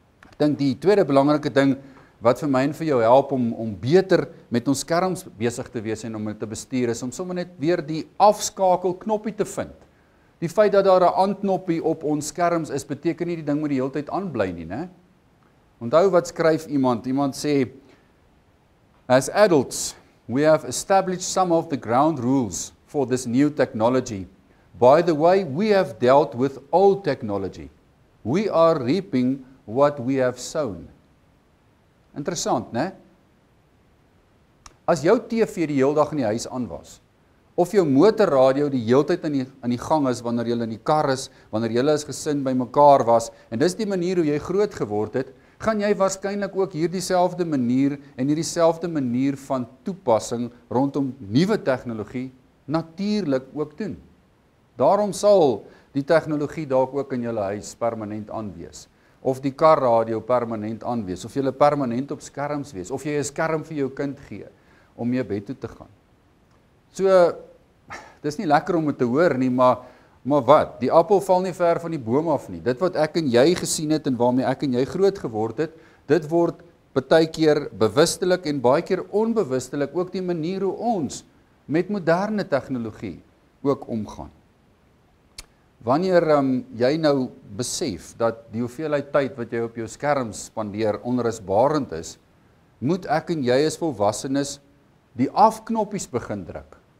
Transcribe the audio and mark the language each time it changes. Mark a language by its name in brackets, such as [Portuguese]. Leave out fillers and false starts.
[Afrikaans] Ek dink die tweede belangrike ding wat vir my en vir jou help om beter met ons skerms besig te wees en om dit te bestuur is om sommer net weer die afskakel knoppie te vind. Die feit dat daar 'n aanknoppie op ons skerms is beteken nie die ding moet die hele tyd aanbly nie, né? Onthou wat skryf iemand? Iemand sê [English] as adults we have established some of the ground rules for this new technology. By the way, we have dealt with old technology. We are reaping what we have sown. [Afrikaans] Interessant, né? As jou TV die hele dag in die huis aan was, of jou motorradio die hele tyd in die gang is wanneer jy in die kar is, wanneer jy as gesin bymekaar was, en dis die manier hoe jy groot geword het, gaan jy waarskynlik ook hierdieselfde manier en hierdieselfde manier van toepassing rondom nuwe tegnologie natuurlik ook doen. Daarom sal die tegnologie dalk ook in jou huis permanent aanwees, of die karradio permanent aanwees, of jy permanent op skerms wees, of jy 'n skerm vir jou kind gee om mee bed toe te gaan. So dis nie lekker om dit te hoor nie, maar wat? Die appel val nie ver van die boom af nie. Dit wat ek en jy gesien het en waarmee ek en jy groot geword het, dit word baie keer bewustelik en baie keer onbewustelik ook die manier hoe ons met moderne tegnologie ook omgaan. Wanneer jy nou besef dat die hoeveelheid tyd wat jy op jou skerms spandeer onrusbarend is, moet ek en jy as volwassenes die afknoppies begin druk.